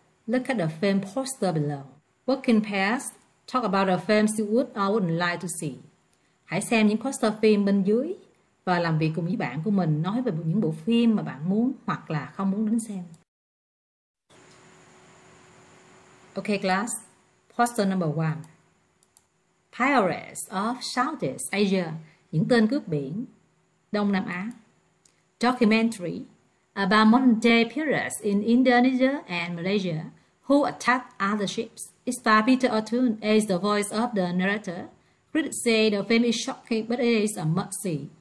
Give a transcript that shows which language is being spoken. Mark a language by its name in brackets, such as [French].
[English] Look at the film poster below. Work in pairs, talk about the films you would or wouldn't like to see. [Vietnamese] Hãy xem những poster phim bên dưới và làm việc cùng với bạn của mình nói về những bộ phim mà bạn muốn hoặc là không muốn đến xem. [English] Okay, class. Poster number one. Pirates of Southeast Asia, [Vietnamese] những tên cướp biển Đông Nam Á. [English] Documentary about modern day pirates in Indonesia and Malaysia who attack other ships. It's by Peter O'Toole as the voice of the narrator. Critics say the film is shocking, but it is a must-see.